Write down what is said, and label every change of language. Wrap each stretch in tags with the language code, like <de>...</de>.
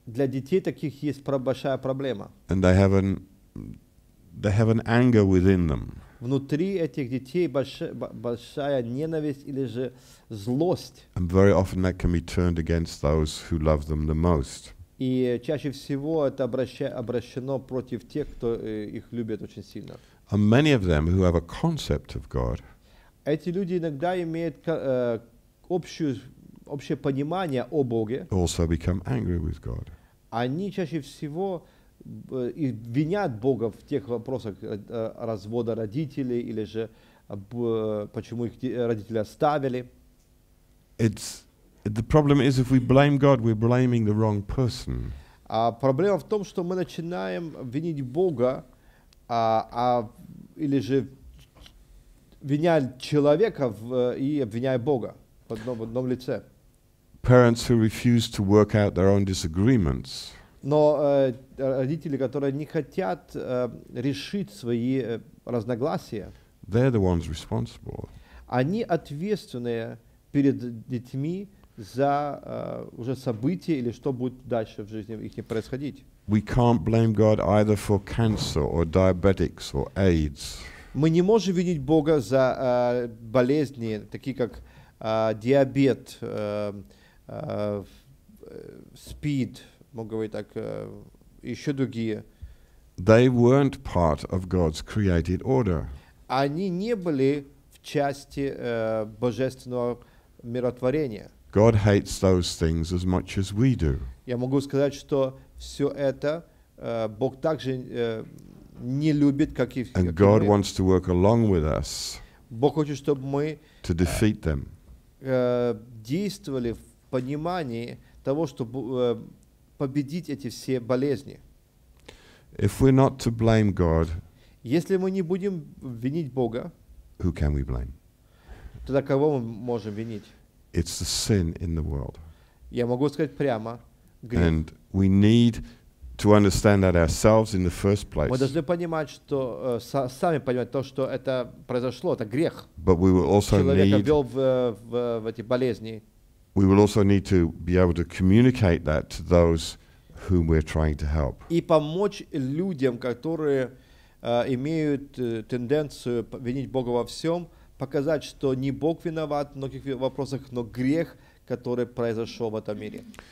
<ru>Для детей таких есть большая проблема.</ru> <en>And they have an anger within them.</en> <ru>Внутри этих детей большая ненависть или же злость.</ru> <en>And very often that can be turned against those who love them the most.</en> <ru>И чаще всего это обращено против тех, кто их любит очень сильно.</ru> <en>And many of them who have a concept of God.</en> <ru>Эти люди иногда имеют общее понимание о Боге.</ru> <en>Also become angry with God.</en> <ru>Они чаще всего и винят Бога в тех вопросах развода родителей или же почему их родители оставили.</ru> <en>The problem is if we blame God, we're blaming the wrong person.</en> <ru>А проблема в том, что мы начинаем винить Бога, или же винять человека и обвиняя Бога в одном лице.</ru> <en>Parents who refuse to work out their own disagreements.</en> <ru>Но родители, которые не хотят решить свои разногласия.</ru> <en>They're the ones responsible.</en> <ru>Они ответственные перед детьми за уже события или что будет дальше в жизни их происходить.</ru> <en>We can't blame God either for cancer or diabetics or AIDS.</en> <ru>Мы не можем винить Бога за болезни, такие как диабет, СПИД, можно говорить так, еще другие.</ru> <en>They weren't part of God's created order.</en> <ru>Они не были в части божественного миротворения.</ru> <en>God hates those things as much as we do.</en> <ru>Я могу сказать, что все это Бог также не любит, как и</ru> <en>And God wants to work along with us.</en> <ru>Бог хочет, чтобы мы</ru> <en>to defeat them.</en> <ru>Действовали в понимании того, чтобы победить эти все болезни.</ru> <en>If we're not to blame God,</en> <ru>если мы не будем винить Бога,</ru> <en>who can we blame?</en> <ru>Тогда кого мы можем винить?</ru> <en>It's the sin in the world.</en> <ru>Я могу сказать прямо.</ru> <en>And we need to understand that ourselves in the first place.</en> <ru>Мы должны понимать, что сами понимать то, что это произошло, это грех.</ru> <en>But we will also need.</en> <ru>Человек ввел в эти болезни.</ru> <en>We will also need to be able to communicate that to those whom we're trying to help.</en> <ru>И помочь людям, которые имеют тенденцию винить Бога во всем. Показать, что не Бог виноват в многих вопросах, но грех, который произошел в этом мире.</ru>